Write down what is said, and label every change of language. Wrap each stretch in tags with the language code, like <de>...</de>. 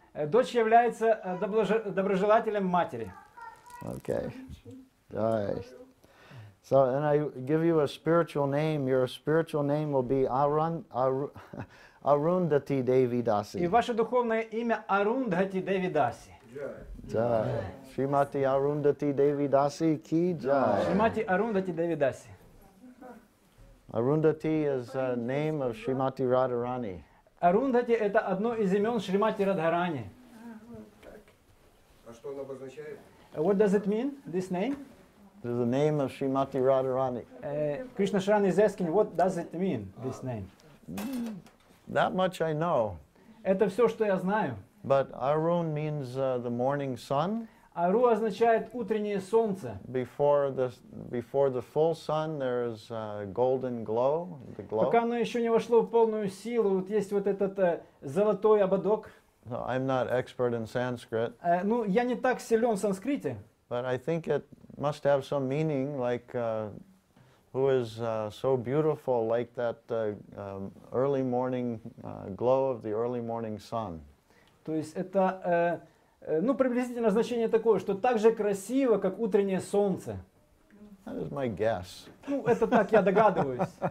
<ru>Дочь является доброжелателем матери.</ru> <en>Okay. Nice. So, and I give you a spiritual name. Your spiritual name will be Arundhati Devi Dasi.</en> <ru>И ваше духовное имя Арундхати Деви Даси.</ru> <en>Jai. Jai. Shrimati Arundhati Devi Dasi Ki Jai. Shrimati Arundhati Devi Dasi. Арундати is a name of Шримати Радхарани.</en> <ru>Арундати – это одно из имен Шримати Радхарани. А что оно обозначает?</ru> <en>What does it mean, this name? It is the name of Srimati Radharani. Krishna Sharan is asking, what does it mean, this name? That much I know.</en> <ru>Это все, что я знаю.</ru> <en>But Arun means the morning sun.</en> <ru>Ару означает утреннее солнце.</ru> <en>Before the full sun, there is a golden glow, the glow.</en> <ru>Пока оно еще не вошло в полную силу, вот есть вот этот золотой ободок.</ru> <en>So I'm not expert in Sanskrit.</en> <ru>Ну, я не так силен в санскрите.</ru> <en>But I think it must have some meaning, like who is so beautiful, like that early morning glow of the early morning sun.</en> <ru>То есть это, ну, приблизительно значение такое, что так же красиво, как утреннее солнце.</ru> <en>That is my guess.</en> <ru>Ну, это так я догадываюсь.</ru>